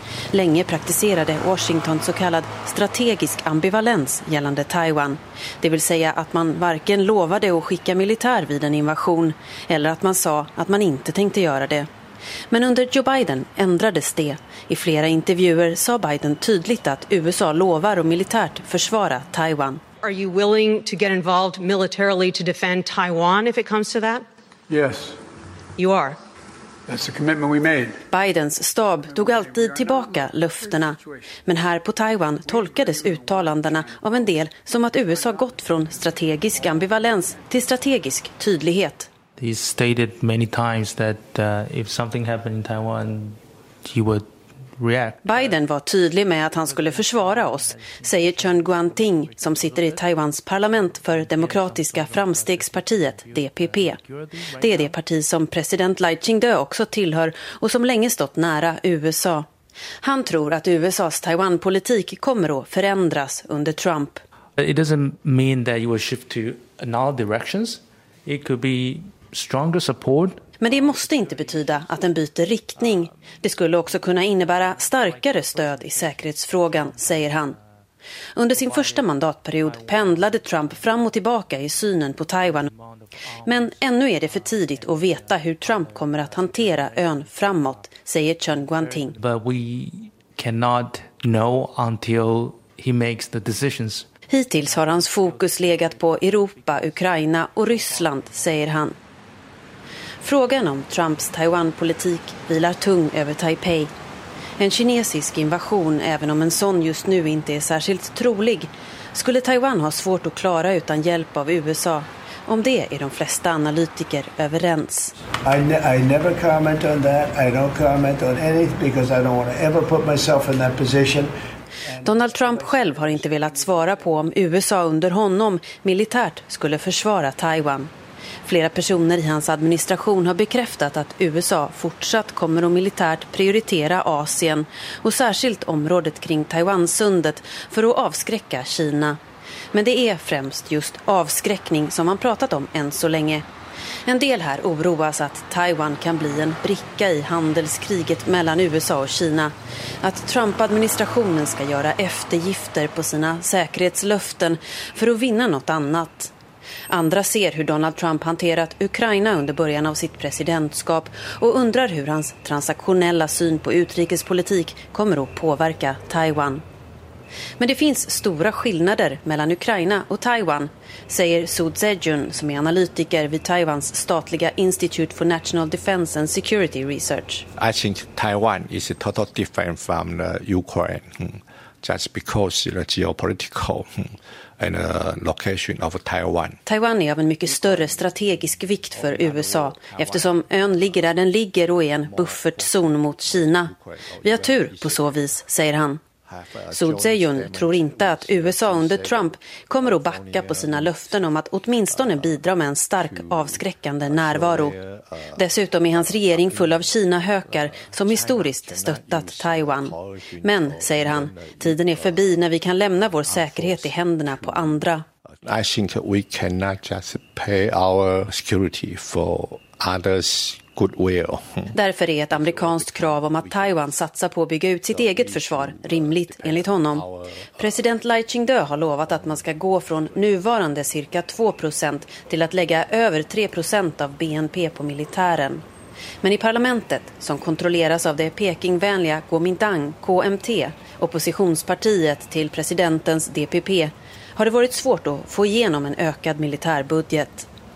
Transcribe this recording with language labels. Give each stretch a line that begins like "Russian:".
Swedish: Länge praktiserade Washington så kallad strategisk ambivalens gällande Taiwan. Det vill säga att man varken lovade att skicka militär vid en invasion eller att man sa att man inte tänkte göra det. Men under Joe Biden ändrades det. I flera intervjuer sa Biden tydligt att USA lovar att militärt försvara Taiwan.
English: Are you willing to get involved militarily to defend Taiwan if it comes to that? Yes. You are. That's the commitment we made.
Swedish: Bidens stab tog alltid tillbaka löftena. Men här på Taiwan tolkades uttalandena av en del som att USA gått från strategisk ambivalens till strategisk tydlighet.
English: He stated many times that if something happened in Taiwan, he would react.
Swedish: Biden var tydlig med att han skulle försvara oss, säger Chen Guangting som sitter i Taiwans parlament för Demokratiska Framstegspartiet, DPP. Det är det parti som president Lai Ching-te också tillhör och som länge stått nära USA. Han tror att USA:s Taiwan-politik kommer att förändras under Trump.
English: It doesn't mean that you will shift to another directions. It could be stronger support.
Swedish: Men det måste inte betyda att den byter riktning. Det skulle också kunna innebära starkare stöd i säkerhetsfrågan, säger han. Under sin första mandatperiod pendlade Trump fram och tillbaka i synen på Taiwan. Men ännu är det för tidigt att veta hur Trump kommer att hantera ön framåt, säger Chen Guangting.
English: But we cannot know until he makes the decisions.
Swedish: Hittills har hans fokus legat på Europa, Ukraina och Ryssland, säger han. Frågan om Trumps Taiwan-politik vilar tung över Taipei. En kinesisk invasion, även om en sån just nu inte är särskilt trolig, skulle Taiwan ha svårt att klara utan hjälp av USA. Om det är de flesta analytiker överens.
English: I never comment on that. I don't comment on anything because I don't want to ever put myself in that position.
Swedish: Donald Trump själv har inte velat svara på om USA under honom militärt skulle försvara Taiwan. Flera personer i hans administration har bekräftat att USA fortsatt kommer att militärt prioritera Asien och särskilt området kring Taiwansundet för att avskräcka Kina. Men det är främst just avskräckning som man pratat om än så länge. En del här oroas att Taiwan kan bli en bricka i handelskriget mellan USA och Kina. Att Trump-administrationen ska göra eftergifter på sina säkerhetslöften för att vinna något annat. Andra ser hur Donald Trump hanterat Ukraina under början av sitt presidentskap och undrar hur hans transaktionella syn på utrikespolitik kommer att påverka Taiwan. Men det finns stora skillnader mellan Ukraina och Taiwan, säger Su Zhejun som är analytiker vid Taiwans statliga Institute for National Defense and Security Research.
English: I think Taiwan is totally different from the Ukraine just because of the geopolitical and location of Taiwan.
Swedish: Taiwan är av en mycket större strategisk vikt för USA eftersom ön ligger där den ligger och är en buffertzon mot Kina. Vi har tur på så vis, säger han. Su Zhejun tror inte att USA under Trump kommer att backa på sina löften om att åtminstone bidra med en stark avskräckande närvaro. Dessutom är hans regering full av Kina-hökar som historiskt stöttat Taiwan. Men, säger han, tiden är förbi när vi kan lämna vår säkerhet i händerna på andra.
English: I think we cannot just pay our security for others.
Swedish: Därför är ett amerikanskt krav om att Taiwan satsar på att bygga ut sitt eget försvar rimligt enligt honom. President Lai Ching-te har lovat att man ska gå från nuvarande cirka 2% till att lägga över 3% av BNP på militären. Men i parlamentet, som kontrolleras av det Pekingvänliga Kuomintang, KMT, oppositionspartiet till presidentens DPP, har det varit svårt att få igenom en ökad militärbudget.